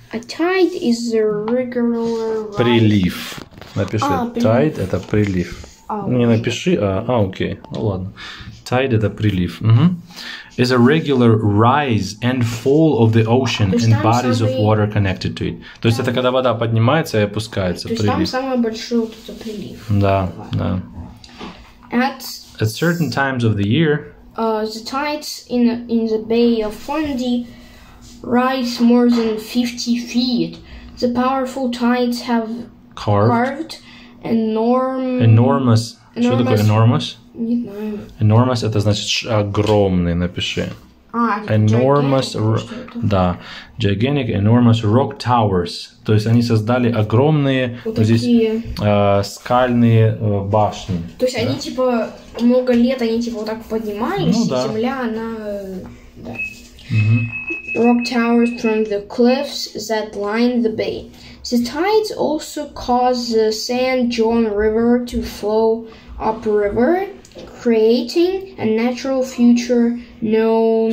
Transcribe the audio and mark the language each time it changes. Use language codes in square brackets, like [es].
[en] A tide is the regular [ru] прилив. Напиши tide это прилив. Не напиши, окей. Ну ладно. Tide это прилив. [en] Is a regular rise and fall of the ocean and bodies of water connected to it. [ru] То есть это когда вода поднимается и опускается, прилив. То есть там самый большой вот этот прилив. Да, да. [en] At certain times of the year, the tides in the Bay of Fundy rise more than 50 feet. The powerful tides have carved enormous. [ru] Что такое enormous? Enormous это значит огромный, напиши. [en] enormous, да, gigantic enormous rock towers. [ru] То есть они создали огромные вот такие, здесь, скальные башни. То есть да? Они типа много лет они типа вот так поднимались, ну, да. И земля она. Да. Mm-hmm. [en] Rock towers from the cliffs that line the bay. The tides also cause the San Juan River to flow upriver, creating a natural feature known.